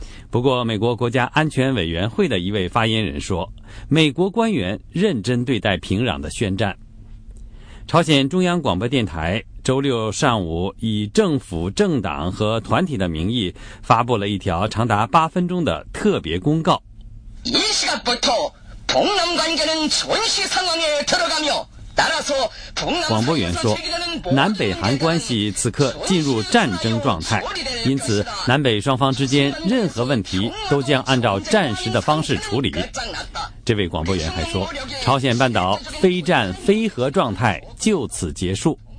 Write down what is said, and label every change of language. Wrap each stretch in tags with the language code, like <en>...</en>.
<zh>不过美国国家安全委员会的一位发言人说，美国官员认真对待平壤的宣战。朝鲜中央广播电台周六上午以政府、政党和团体的名义发布了一条长达八分钟的特别公告。</zh> <ko>이시각부터북남관계는전시상황에들어가며따라서북남</ko> <zh>广播员说，南北韩关系此刻进入战争状态，因此南北双方之间任何问题都将按照战时的方式处理。这位广播员还说，朝鲜半岛非战非和状态就此结束。</zh>